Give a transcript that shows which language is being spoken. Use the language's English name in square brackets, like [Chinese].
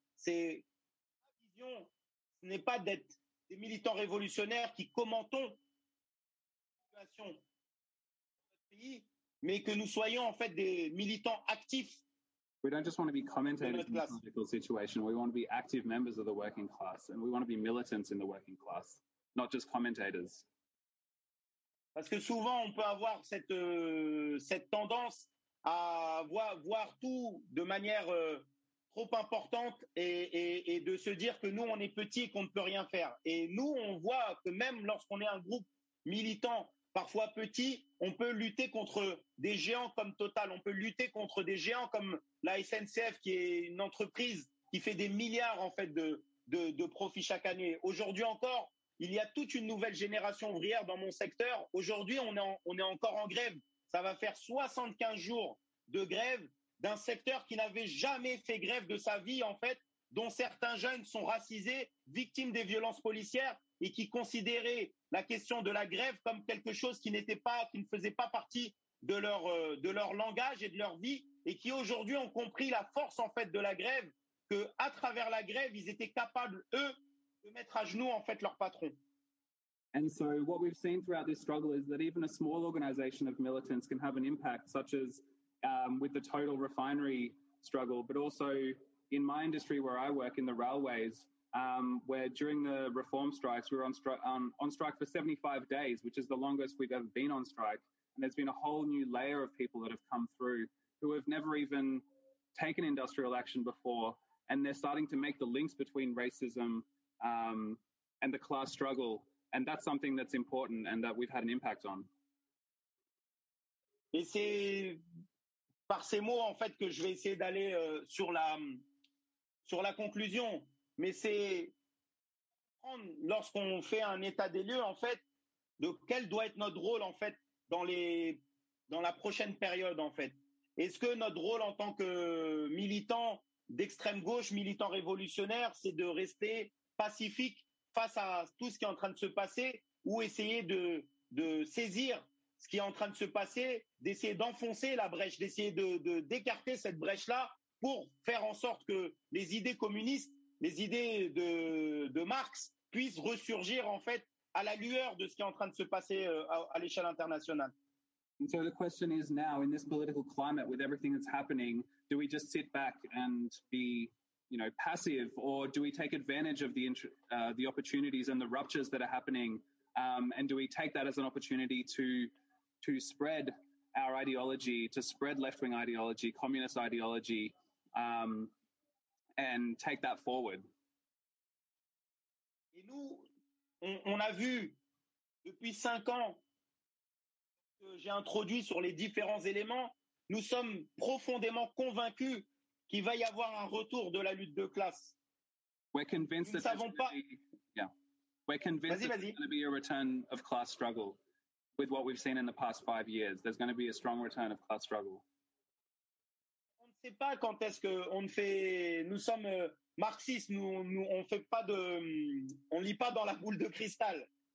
[French] C'est ma vision, ce n'est pas d'être des militants révolutionnaires qui commentons la situation de notre pays, mais que nous soyons en fait des militants actifs. [English] We don't just want to be commentators in the political situation. We want to be active members of the working class, and we want to be militants in the working class, not just commentators. [French] Parce que souvent, on peut avoir cette tendance à voir tout de manière trop importante et de se dire que nous, on est petits et qu'on ne peut rien faire. Et nous, on voit que même lorsqu'on est un groupe militant, parfois petit, on peut lutter contre des géants comme Total, on peut lutter contre des géants comme la SNCF, qui est une entreprise qui fait des milliards en fait de profits chaque année. Aujourd'hui encore, il y a toute une nouvelle génération ouvrière dans mon secteur. Aujourd'hui, on est encore en grève. Ça va faire 75 jours de grève d'un secteur qui n'avait jamais fait grève de sa vie, en fait, dont certains jeunes sont racisés, victimes des violences policières et qui considéraient la question de la grève comme quelque chose qui ne faisait pas partie de leur langage et de leur vie et qui aujourd'hui ont compris la force, en fait, de la grève, qu'à travers la grève, ils étaient capables, eux, de mettre à genoux, en fait, leur patron. [English] And so what we've seen throughout this struggle is that even a small organization of militants can have an impact, such as with the Total refinery struggle, but also in my industry where I work, in the railways, where during the reform strikes, we were on strike for 75 days, which is the longest we've ever been on strike. And there's been a whole new layer of people that have come through who have never even taken industrial action before. And they're starting to make the links between racism and the class struggle, and that's something that's important and that we've had an impact on. [French] Et c'est par ces mots, en fait, que je vais essayer d'aller sur la conclusion. Mais c'est prendre, lorsqu'on fait un état des lieux, en fait, de quel doit être notre rôle, en fait, dans la prochaine période, en fait. Est-ce que notre rôle en tant que militant d'extrême gauche, militant révolutionnaire, c'est de rester pacifique face à tout ce qui est en train de se passer, ou essayer de saisir ce qui est en train de se passer, d'essayer d'enfoncer la brèche, d'essayer d'écarter cette brèche-là pour faire en sorte que les idées communistes, les idées de Marx puissent ressurgir en fait à la lueur de ce qui est en train de se passer à l'échelle internationale. [English] And so the question is now, in this political climate, with everything that's happening, do we just sit back and be, you know, passive, or do we take advantage of the opportunities and the ruptures that are happening, and do we take that as an opportunity to spread our ideology, to spread left-wing ideology, communist ideology, and take that forward? [French] Et nous, on a vu depuis 5 ans que j'ai introduit sur les différents éléments, nous sommes profondément convaincus qu'il va y avoir un retour de la lutte de classe. [English] We're convinced [French] nous ne savons pas. [English] We're convinced that there's going to be a return of class struggle with what we've seen in the past 5 years. There's going to be a strong return of class struggle. [French] C'est pas quand est-ce que on fait. Nous sommes marxistes. Nous on fait pas de. On lit pas dans la boule de cristal.